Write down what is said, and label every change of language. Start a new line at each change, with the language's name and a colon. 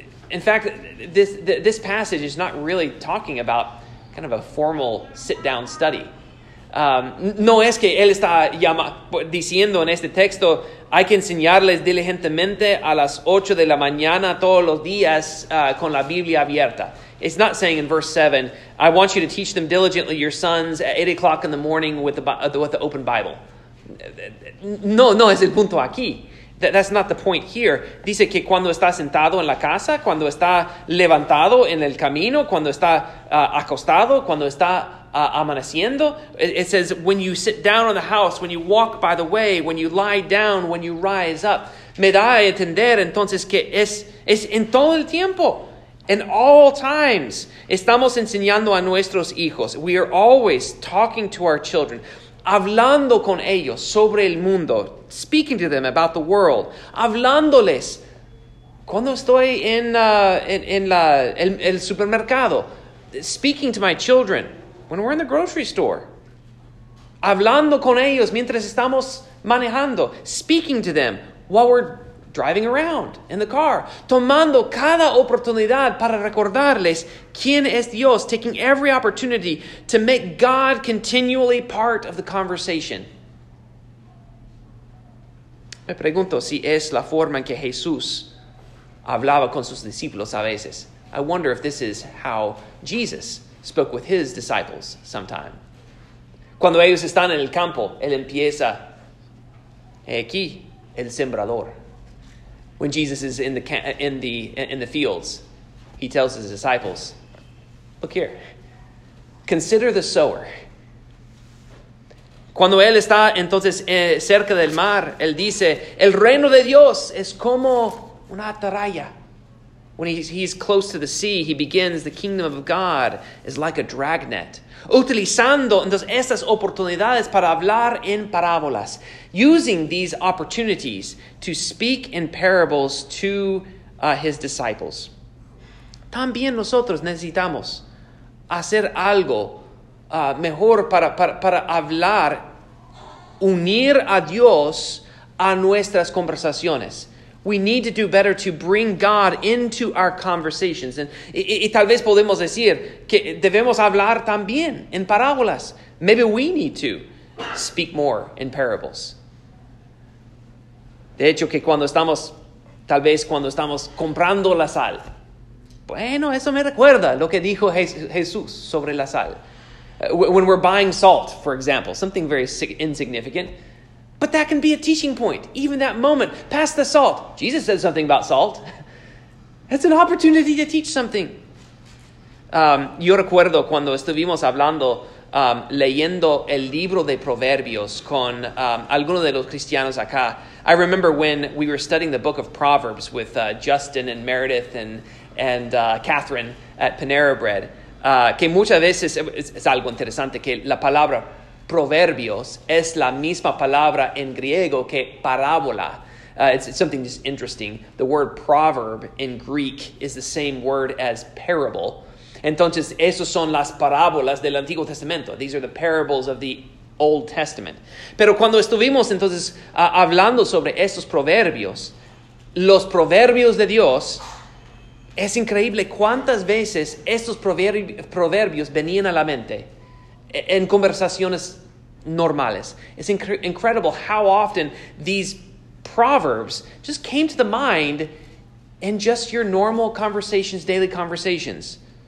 English: In fact, this passage is not really talking about kind of a formal sit-down study.
Spanish: No es que él está diciendo en este texto, hay que enseñarles diligentemente a las 8 de la mañana todos los días con la Biblia abierta.
English: It's not saying in verse 7, I want you to teach them diligently your sons at 8 o'clock in the morning with the open Bible.
Spanish: No es el punto aquí.
English: That's not the point here.
Spanish: Dice que cuando está sentado en la casa, cuando está levantado en el camino, cuando está acostado, cuando está amaneciendo.
English: It says, when you sit down in the house, when you walk by the way, when you lie down, when you rise up.
Spanish: Me da a entender entonces que es en todo el tiempo.
English: In all times,
Spanish: estamos enseñando a nuestros hijos.
English: We are always talking to our children,
Spanish: hablando con ellos sobre el mundo,
English: speaking to them about the world,
Spanish: hablándoles. Cuando estoy en el supermercado,
English: speaking to my children, when we're in the grocery store,
Spanish: hablando con ellos mientras estamos manejando,
English: speaking to them while we're driving around in the car,
Spanish: tomando cada oportunidad para recordarles quién es Dios,
English: taking every opportunity to make God continually part of the conversation.
Spanish: Me pregunto si es la forma en que Jesús hablaba con sus discípulos a veces.
English: I wonder if this is how Jesus spoke with his disciples sometime.
Spanish: Cuando ellos están en el campo, él empieza, aquí, el sembrador.
English: When Jesus is in the fields, he tells his disciples, look here, consider the sower.
Spanish: Cuando él está entonces cerca del mar, él dice, el reino de Dios es como una atalaya.
English: When he's close to the sea, he begins, the kingdom of God is like a dragnet.
Spanish: Utilizando entonces estas oportunidades para hablar en parábolas.
English: Using these opportunities to speak in parables to his disciples.
Spanish: También nosotros necesitamos hacer algo mejor para hablar, unir a Dios a nuestras conversaciones.
English: We need to do better to bring God into our conversations.
Spanish: And y tal vez podemos decir que debemos hablar también en parábolas.
English: Maybe we need to speak more in parables.
Spanish: De hecho, que cuando estamos, tal vez cuando estamos comprando la sal. Bueno, eso me recuerda lo que dijo Jesús sobre la sal.
English: When we're buying salt, for example, something very insignificant. But that can be a teaching point. Even that moment, pass the salt. Jesus said something about salt. It's an opportunity to teach something.
Spanish: Yo recuerdo cuando estuvimos hablando, leyendo el libro de Proverbios con algunos de los cristianos acá.
English: I remember when we were studying the book of Proverbs with Justin and Meredith and Catherine at Panera Bread.
Spanish: Que muchas veces es algo interesante que la palabra Proverbios es la misma palabra en griego que parábola.
English: It's something just interesting. The word proverb in Greek is the same word as parable.
Spanish: Entonces, esos son las parábolas del Antiguo Testamento.
English: These are the parables of the Old Testament.
Spanish: Pero cuando estuvimos entonces hablando sobre estos proverbios, los proverbios de Dios, es increíble cuántas veces estos proverbios venían a la mente. En conversaciones normales.
English: It's incredible how often these proverbs just came to the mind in just your normal conversations, daily conversations.